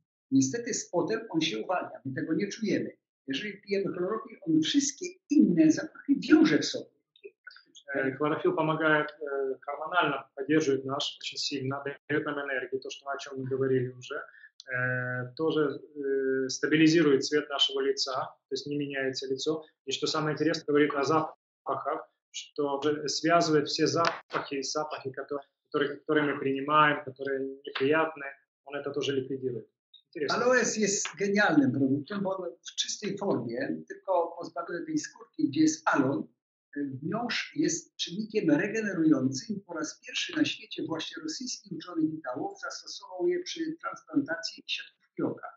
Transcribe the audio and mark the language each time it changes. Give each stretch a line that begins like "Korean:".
Polish: Niestety z potem on się uwalnia, my tego nie czujemy. Jeżeli pijemy chlorofil, on wszystkie inne zapachy wiąże w sobie. Chlorofil pomaga hormonalnie, podtrzymuje nas bardzo silnie, daje nam energię, to, o czym mówiliśmy już.
Russian: Тоже стабилизирует цвет нашего лица, то есть не меняется лицо. И что самое интересное, говорит о запахах, что связывает все запахи, которые мы принимаем, которые неприятные, он это тоже ликвидирует.
Polish: Aloes jest genialnym produktem, bo w czystej formie, tylko pozbawione tej skórki, gdzie jest alon, wnioż jest czynnikiem regenerującym. Po raz pierwszy na świecie właśnie rosyjski uczony Witałow zastosował je przy transplantacji siatkówki oka.